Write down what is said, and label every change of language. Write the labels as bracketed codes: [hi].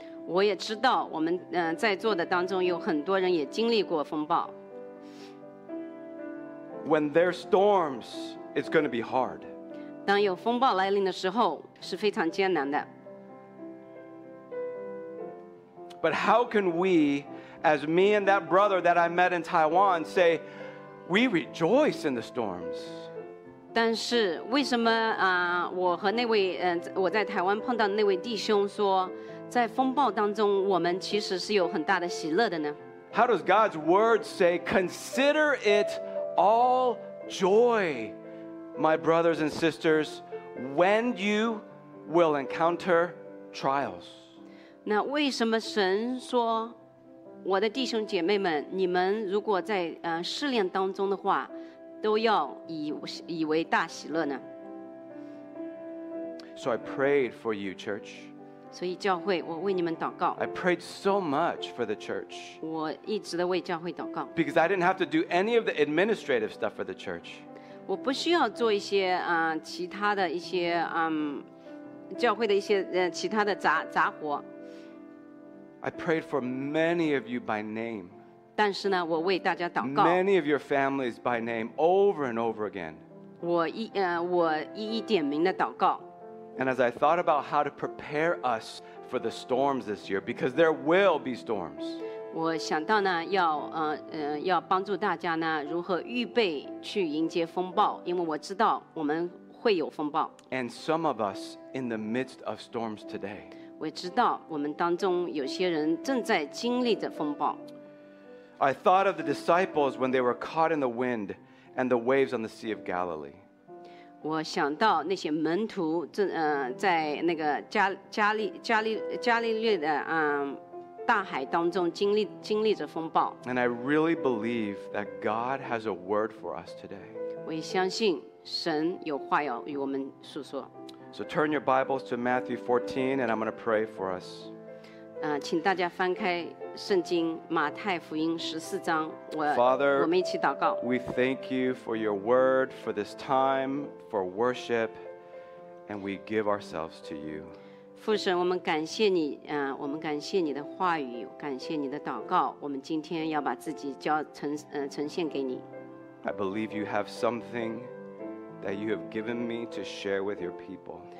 [zh] 我也知道我们在座的当中有很多人也经历过风暴。 [en] When there are storms, it's going to be hard. [zh] 当有风暴来临的时候，是非常艰难的。 [en] But how can we, as me and that brother that I met in Taiwan, say we rejoice in the storms? [zh] 但是为什么我和那位我在台湾碰到那位弟兄说，在风暴当中我们其实是有很大的喜乐的呢？ [en] How does God's word say, consider it all joy, my brothers and sisters, when you will encounter trials? [zh] 那为什么神说，我的弟兄姐妹们，你们如果在试炼当中的话，都要以为大喜乐呢。 [en] So I prayed for you, church. [zh] 所以教会，我为你们祷告。 [en] I prayed so much for the church. [zh] 我一直的为教会祷告。 [en] Because I didn't have to do any of the administrative stuff for the church. [zh] 我不需要做一些其他的一些教会的一些其他的杂活。 [en] I prayed for many of you by name. [zh] 但是呢，我为大家祷告。 [en] Many of your families by name over and over again. [zh] 我一一点名的祷告。 [en] And as I thought about how to prepare us for the storms this year, because there will be storms. [zh] 我想到呢，要帮助大家呢，如何预备去迎接风暴，因为我知道我们会有风暴。 [en] And some of us in the midst of storms today. [zh] 我知道我们当中有些人正在经历着风暴。 [en] I thought of the disciples when they were caught in the wind and the waves on the Sea of Galilee. [zh] 我想到那些门徒在那个加利略的大海当中经历着风暴。 [en] And I really believe that God has a word for us today. [zh] 我也相信神有话要与我们诉说。 [en] So turn your Bibles to Matthew 14 and I'm going to pray for us. [zh] 请大家翻开圣经马太福音十四章，我们一起祷告。 [en] Father, we thank you for your word, for this time, for worship. And we give ourselves to you. [zh] 父神，我们感谢你，我们感谢你的话语，感谢你的祷告。我们今天要把自己交呈现给你。 [en] I believe you have something that you have given me to share with your people.